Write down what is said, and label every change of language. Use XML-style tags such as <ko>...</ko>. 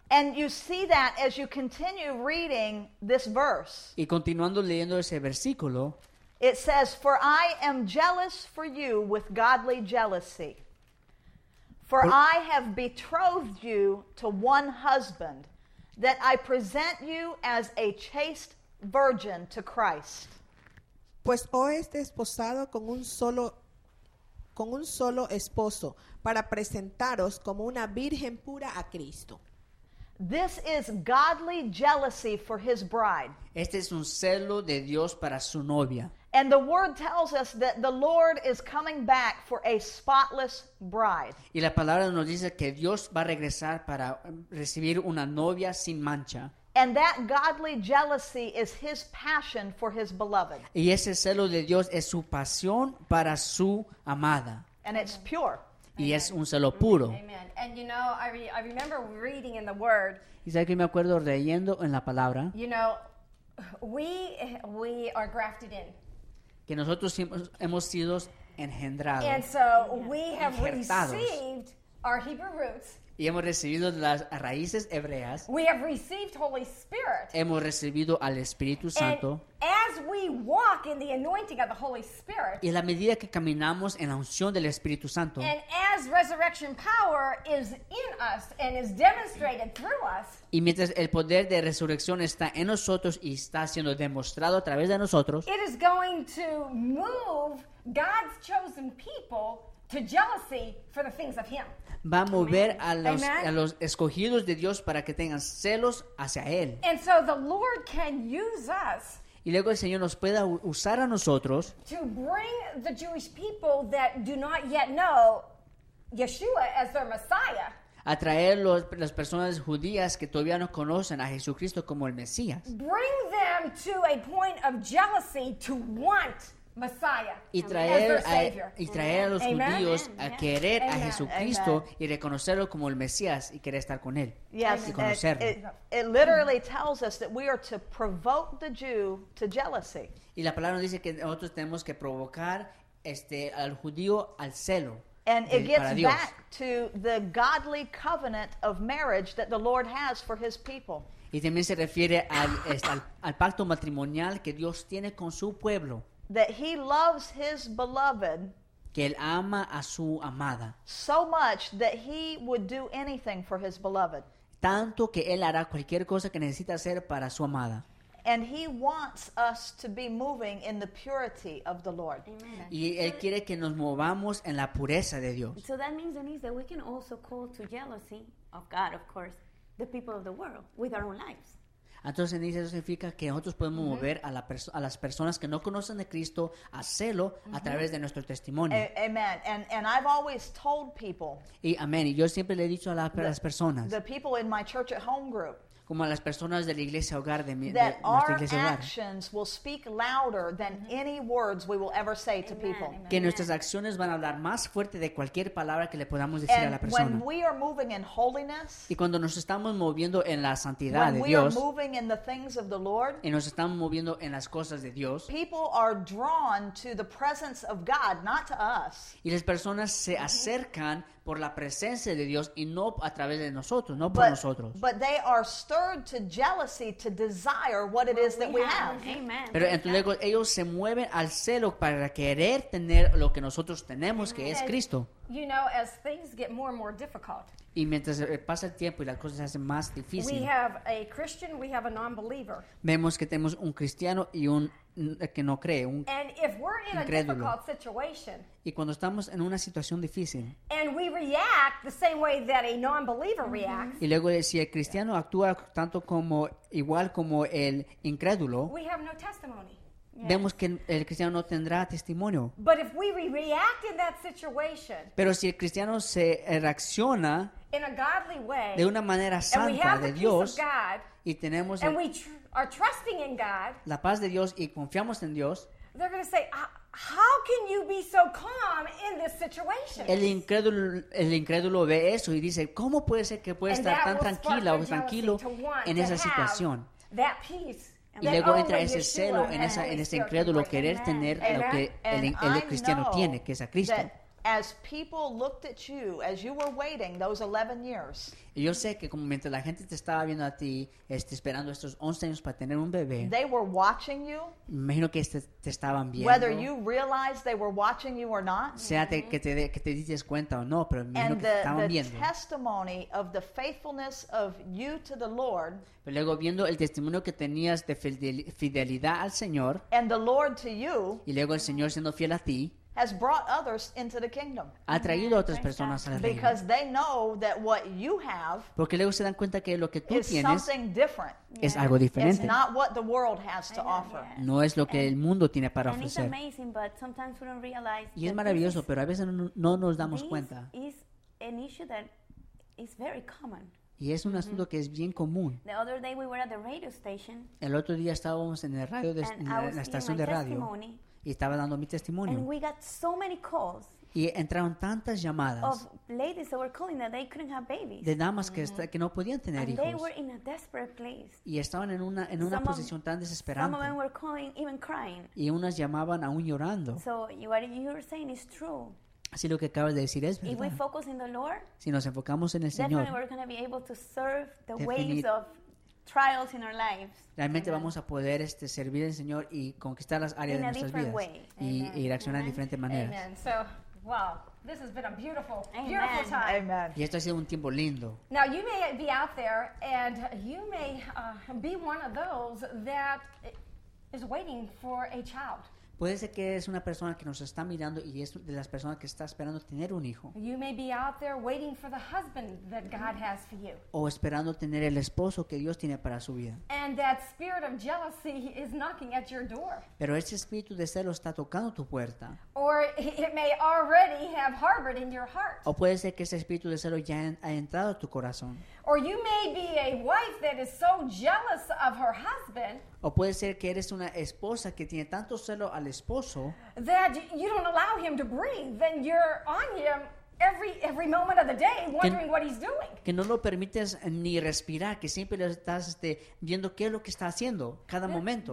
<en>And you see that as you continue reading this verse.</en> <es>Y continuando leyendo ese versículo.</es> <en>It says, for I am jealous for you with godly jealousy. For I have betrothed you to one husband, that I present you as a chaste virgin to Christ.</en> <es>Pues hoy es desposado con un solo esposo para presentaros como una virgen pura a Cristo.</es> <en>This is godly jealousy for his bride.</en> <es>Este es un celo de Dios para su novia.</es> <en>And the word tells us that the Lord is coming back for a spotless bride.</en> <es>Y la palabra nos dice que Dios va a regresar para recibir una novia sin mancha.</es> <en>And that godly jealousy is his passion for his beloved.</en> <es>Y ese celo de Dios es su pasión para su amada.</es> <en>And it's pure.</en> <es>Amen. Y es un celo puro. Amen.</es> <en>And you know, I remember reading in the Word.</en> <es>Y sabes que me acuerdo leyendo en la palabra.</es> <en>You know, we are grafted in.</en> <es>Que nosotros hemos sido engendrados.</es> <en>And so we have received our Hebrew roots.</en> <es>Y hemos recibido las raíces hebreas.</es> <en>We have received Holy Spirit.</en> <es>Hemos recibido al Espíritu Santo.</es> <en>And as we walk in the anointing of the Holy Spirit.</en> <es>Y a la medida que caminamos en la unción del Espíritu Santo.</es> <en>And as resurrection power is in us and is demonstrated through us.</en> <es>Y mientras el poder de resurrección está en nosotros y está siendo demostrado a través de nosotros.</es> <en>It is going to move God's chosen people to jealousy for the things of him.</en> <es>Va a mover a los escogidos de Dios para que tengan celos hacia él.</es> <en>And so the Lord can use us.</en> <es>y luego el Señor nos pueda usar a nosotros</es> <en>to bring the Jewish people that do not yet know Yeshua as their Messiah.</en> <es>Atraer las personas judías que todavía no conocen a Jesucristo como el Mesías.</es> <en>Bring them to a point of jealousy to want Messiah.</en> <es>Y traer a los judíos a querer a Jesucristo y reconocerlo como el Mesías y querer estar con él.</es> <en>Yes,</en> <es>y conocerlo.</es> <en>It literally tells us that we are to provoke the Jew to jealousy.</en> <es>Y la palabra dice que nosotros tenemos que provocar al judío al celo.</es> <en>And it gets back to the godly covenant of marriage that the Lord has for his people.</en> <es>Y también se refiere al pacto matrimonial que Dios tiene con su pueblo.</es> <en>That he loves his beloved.</en> <es>Que él ama a su amada.</es> <en>So much that he would do anything for his beloved.</en> <es>Tanto que él hará cualquier cosa que necesita hacer para su amada.</es> <en>And he wants us to be moving in the purity of the Lord.</en> <es>Amen. Y él quiere que nos movamos en la pureza de Dios.</es> <en>So that means, Denise, that we can also call to jealousy of God, of course, the people of the world with our own lives.</en> <es>Entonces, Denise, eso significa que nosotros podemos mm-hmm. mover a las personas que no conocen de Cristo a celo mm-hmm. a través de nuestro testimonio.</es> <en>Amen. And I've always told people.</en> <es>Y amén. Y yo siempre le he dicho a las personas.</es> <en>The people in my church at home group.</en> <es>Como a las personas de la iglesia hogar de mi</es> <en>that</en> <es>de nuestra iglesia</es> <en>our</en> <es>hogar.</es> <en>Actions will speak louder than mm-hmm. any words we will ever say amen, to people. Amen,</en> <es>que amen. Nuestras acciones van a hablar más fuerte de cualquier palabra que le podamos decir</es> <en>and</en> <es>a la persona.</es> <en>When we are moving in holiness,</en> <es>y cuando nos estamos moviendo en la santidad de Dios,</es> <en>when we are moving in the things of the Lord,</en> <es>y nos estamos moviendo en las cosas de Dios,</es> <en>people are drawn to the presence of God, not to us.</en> <es>Y las personas se mm-hmm. acercan por la presencia de Dios y no a través de nosotros, no por nosotros.</es> <en>But they are stirred to jealousy to desire what it is that we have. Amen.</en> <es>Pero entonces luego ellos se mueven al celo para querer tener lo que nosotros tenemos, que es Cristo.</es> <en>You know, as things get more and more difficult.</en> <es>Y mientras pasa el tiempo y las cosas se hacen más difíciles.</es> <en>We have a Christian, we have a non-believer.</en> <es>Vemos que tenemos un cristiano y un que no cree, un</es> <en>and if we're in</en> <es>incrédulo.</es> <en>A difficult situation,</en> <es>y cuando estamos en una situación difícil,</es> <en>and we react the same way that a non-believer mm-hmm. reacts,</en> <es>y luego si el cristiano actúa tanto como igual como el incrédulo,</es> <en>we have no testimony. Yes.</en> <es>Vemos que el cristiano no tendrá testimonio.</es> <en>But if we react in that situation,</en> <es>pero si el cristiano se reacciona</es> <en>in a godly way,</en> <es>de una manera santa</es> <en>and we have</en> <es>de Dios</es> <en>peace of God,</en> <es>y tenemos</es> <en>and we are trusting in God,</en> <es>la paz de Dios y confiamos en Dios,</es> <en>they're going to say, how can you be so calm in this situation?</en> <es>El incrédulo ve eso y dice, ¿cómo puede ser que pueda estar tan tranquila o tranquilo en esa situación?</es> <en>That peace.</en> <es>Y luego entra ese celo en ese incrédulo querer tener lo que el cristiano tiene, que es a Cristo.</es> <en>As people looked at you as you were waiting those 11 years.</en> <es>Y yo sé que como mientras la gente te estaba viendo a ti, esperando estos 11 años para tener un bebé.</es> <en>They were watching you.</en> <es>Imagino que te estaban viendo.</es> <en>Whether you realized they were watching you or not.</en> <es>Sea mm-hmm. que te dices cuenta o no, pero imagino que te estaban</es> <en>the</en> <es>viendo.</es> <en>And the testimony of the faithfulness of you to the Lord.</en> <es>Pero luego viendo el testimonio que tenías de fidelidad al Señor.</es> <en>And the Lord to you.</en> <es>Y luego el Señor siendo fiel a ti.</es> <en>Has brought others into the kingdom.</en> <es>Ha traído a otras personas al reino.</es> <en>Because they know that what you have.</en> <es>Porque luego se dan cuenta que lo que tú tienes</es> <en>is something different.</en> <es>Es algo diferente.</es> <en>It's not what the world has to offer.</en> <es>No es lo que el mundo tiene para ofrecer.</es> <en>And it's amazing, but sometimes we don't realize.</en> <es>Y es maravilloso, pero a veces no nos damos cuenta.</es> <en>This is an issue that is very common.</en> <es>Y es un asunto mm-hmm. que es bien común.</es> <en>The other day we were at the radio station.</en> <es>El otro día estábamos en el radio en la estación de radio. Y estaba dando mi testimonio.</es> <en>And we got so many calls.</en> <es>Y entraron tantas llamadas.</es> <en>Of ladies that were calling that they couldn't have babies.</en> <es>De damas mm-hmm. que no podían tener</es> <en>and</en> <es>hijos.</es> <en>And they were in a desperate place.</en> <es>Y estaban en una posición tan desesperante.</es> <en>Some of them were calling even crying.</en> <es>Y unas llamaban aún llorando.</es> <en>So what you're saying is true.</en> <es>Así lo que acabas de decir es verdad.</es> <en>If we focus in the Lord,</en> <es>si nos enfocamos en el Señor,</es> <en>definitely we're going to be able to serve the waves of trials in our lives.</en> <es>Realmente amen. Vamos a poder servir al Señor y conquistar las áreas</es> <en>in</en> <es>de nuestras vidas y reaccionar amen. De diferentes maneras. Amen.</es> <en>So, wow, this has been a beautiful, beautiful amen. Time. Amen.</en> <es>Y esto ha sido un tiempo lindo.</es> <en>Now you may be out there and you may be one of those that is waiting for a child.</en> <es>Puede ser que eres una persona que nos está mirando y es de las personas que está esperando tener un hijo.</es> <en>You may be out there waiting for the husband that God has for you.</en> <es>O esperando tener el esposo que Dios tiene para su vida.</es> <en>And that spirit of jealousy is knocking at your door.</en> <es>Pero ese espíritu de celo está tocando tu puerta.</es> <en>Or it may already have harbored in your heart.</en> <es>O puede ser que ese espíritu de celo ya ha entrado a tu corazón.</es> <en>Or you may be a wife that is so jealous of her husband.</en> <es>O puede ser que eres una esposa que tiene tanto celo al esposo.</es> <en>That you don't allow him to breathe, then you're on him every moment of the day wondering what he's doing.</en> <es>Que no lo permites ni respirar, que siempre le estás viendo qué es lo que está haciendo cada momento.</es>